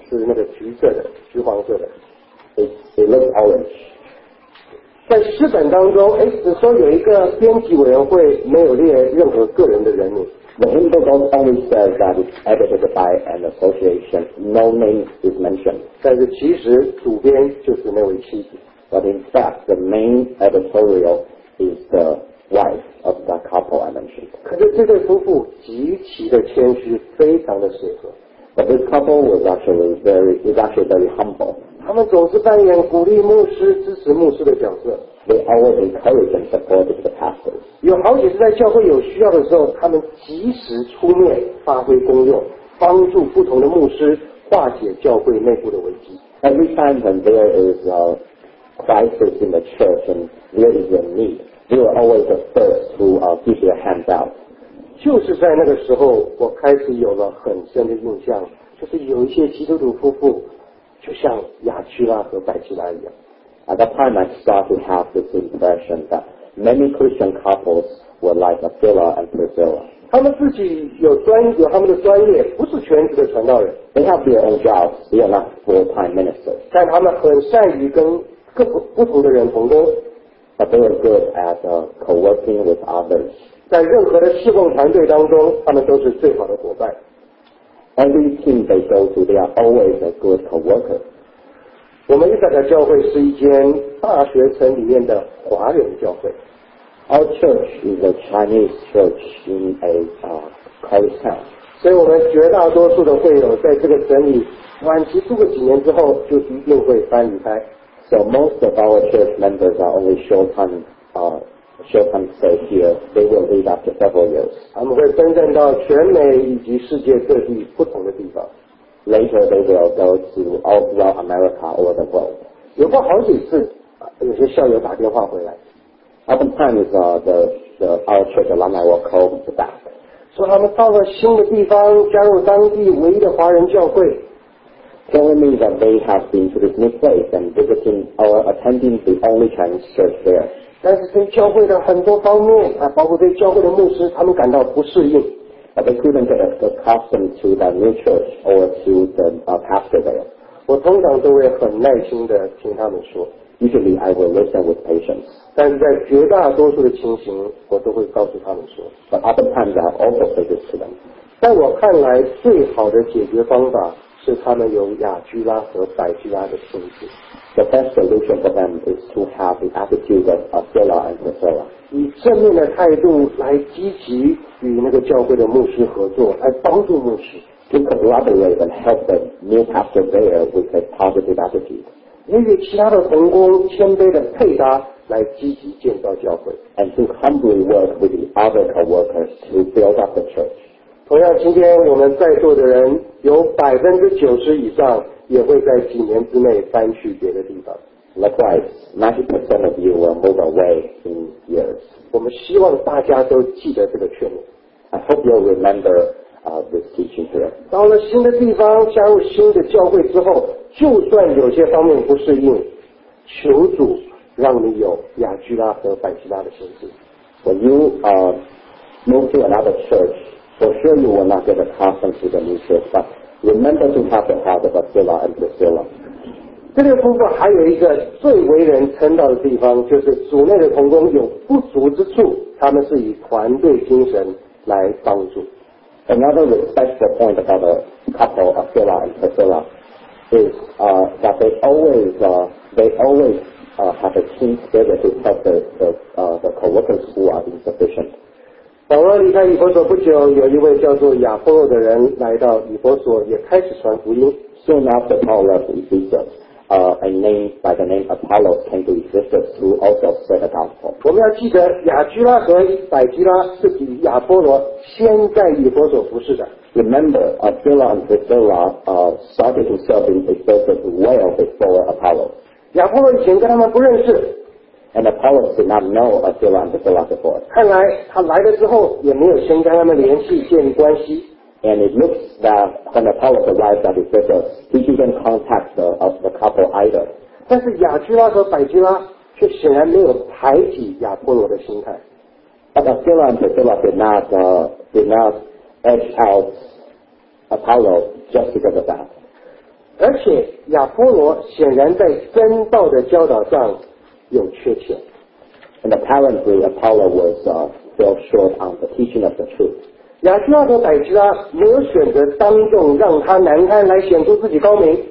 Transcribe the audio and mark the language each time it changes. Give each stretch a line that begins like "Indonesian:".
Chinese: 是那个橘色的橘黄色的
English: It looks orange.
Chinese: 在诗本当中，哎，只说有一个编辑委员会没有列任何个人的人名。
English: The hymn book only says that it's edited by an association. No name is mentioned.
Chinese: 但是其实主编就是那位妻子。
English: But in fact, the main editorial is the wife of the couple I mentioned.
Chinese: 可是这对夫妇极其的谦虚，非常的随和。
English: But this couple was actually very humble.
Chinese: 他们总是扮演鼓励牧师、支持牧师的角色。
English: They always encourage and support the pastors.
Chinese: 有好几次在教会有需要的时候，他们及时出面发挥功用，帮助不同的牧师化解教会内部的危机。
English: Every time when there is a crisis in the church and there is a need, they are always the first to give their hands out.
Chinese: 就是在那个时候，我开始有了很深的印象，就是有一些基督徒夫妇。就像亚屈拉和百基拉一样
English: At that time I started to have this impression that many Christian couples were like Aquila and Priscilla
Chinese: 他们自己有他们的专业不是全职的传道人
English: They have their own jobs They are not full-time ministers
Chinese: 但他们很善于跟各不同的人同工
English: But they were good at co-working with others
Chinese: 在任何的侍奉团队当中他们都是最好的伙伴
English: Every team they go to, they are always a good co-worker.
Chinese: 我们伊萨克教会是一间大学城里面的华人教会。
English: Our church is a Chinese church in a college town.
Chinese: 所以我们绝大多数的会友在这个城里晚期住个几年之后就一定会搬离开。
English: So most of our church members are only short time stay here, they will leave after several years.
Chinese: 他们会分散到全美以及世界各地不同的地方。
English: Later, they will go to all throughout America or the world.
Chinese: 有过好几次，有些校友打电话回来。
English: Oftentimes, our church alumni will call back.
Chinese: 说他们到了新的地方，加入当地唯一的华人教会。
English: Telling me that they have been to this new place and visiting or attending the only Chinese church there.
Chinese: 但是对教会的很多方面包括对教会的牧师他们感到不适应
English: But they couldn't get accustomed to that new church or to the pastor there
Chinese: 我通常都会很耐心地听他们说
English: Usually I will listen with patience
Chinese: 但是在绝大多数的情形我都会告诉他们说
English: But other times I also say this to them
Chinese: 在我看来最好的解决方法是他们有亚居拉和百居拉的性质
English: The best solution for them is to have the attitude of Aquila and Priscilla.
Chinese: 以正面的态度来积极与那个教会的牧师合作，来帮助牧师。
English: To collaborate and help the new pastor there with a positive attitude.
Chinese: 也与其他的同工谦卑的配搭，来积极建造教会。
English: And to humbly work with the other co-workers to build up the church.
Chinese: 同样，今天我们在座的人有90%以上。也会在几年之内搬去别的地方。
English: Likewise, 90% of you will move away in years.
Chinese: 我们希望大家都记得这个劝勉。
English: I hope you'll remember this teaching here.
Chinese: 到了新的地方，加入新的教会之后，就算有些方面不适应，求主让你有亚居拉和百基拉的心智。
English: When you move to another church, for sure you will not get accustomed to the new church, but Remember to have the heart of Aquila and Priscilla.
Chinese: 这对夫妇还有一个最为人称道的地方，就是组内的同工有不足之处，他们是以团队精神来帮助。
English: Another respectful point about the couple Aquila and Priscilla is that they always have a team spirit to help the co-workers who are insufficient.
Chinese: 保罗离开以弗所不久，有一位叫做亚波罗的人来到以弗所，也开始传福音。
English: Soon after Paul left Ephesus, a name by the name Apollos came to exist through also spread the gospel.
Chinese: 我们要记得亚居拉和百居拉是比亚波罗先在以弗所服事的。
English: Remember, Aquila and Priscilla started to serve in Ephesus well before Apollos.
Chinese: 亚波罗以前跟他们不认识。
English: And Apollos did not know Aquila and Priscilla before.
Chinese: 看来他来了之后也没有先跟他们联系建立关系。
English: And it looks that when Apollos arrived at Ephesus, he didn't contact the couple either.
Chinese: 但是亚居拉和百居拉却显然没有排挤亚波罗的心态。
English: But Aquila and Priscilla did not edge out Apollos just because of that.
Chinese: 而且亚波罗显然在真道的教导上有缺陷。
English: And apparently Apollos was fell short on the teaching of the truth.
Chinese: 亚基拉和百基拉没有选择当众让他难堪来显出自己高明。